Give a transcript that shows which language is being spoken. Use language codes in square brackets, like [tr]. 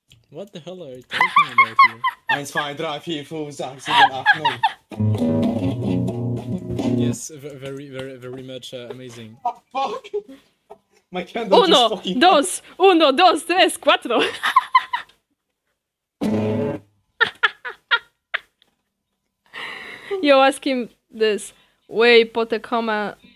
[en] What the hell are you talking about here? [de] Eins, zwei, drei, vier, fünf, sechs, sieben, acht, neun. [en] Yes, very, very, very much amazing. Fuck! My candle [es] uno, [en] just fucking... [es] dos, uno, dos, tres, cuatro! [en] Yo, ask him this. Wey, Potekomoela.